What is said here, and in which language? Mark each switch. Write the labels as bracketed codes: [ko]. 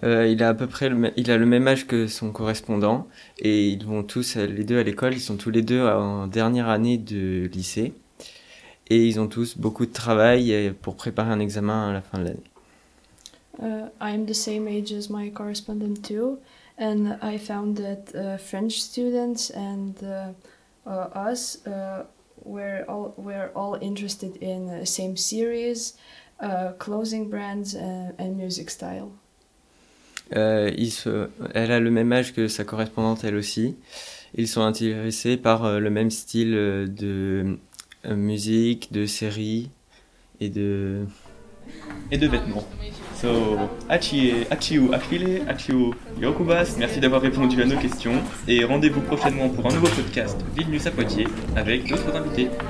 [fr] Il a le même âge que son correspondant et ils vont tous les deux à l'école. Ils sont tous les deux en dernière année de lycée et ils ont tous beaucoup de travail pour préparer un examen à la fin de l'année. [en] I'm the same age as my correspondent too, and I found that French students and us we're all interested in the same series, clothing brands and music style. [fr] Elle a le même âge que sa correspondante elle aussi. Ils sont intéressés par le même style de musique, de séries et de vêtements. So, Achille, Jakubas, merci d'avoir répondu à nos questions et rendez-vous prochainement pour un nouveau podcast Vilnius à Poitiers avec d'autres invités.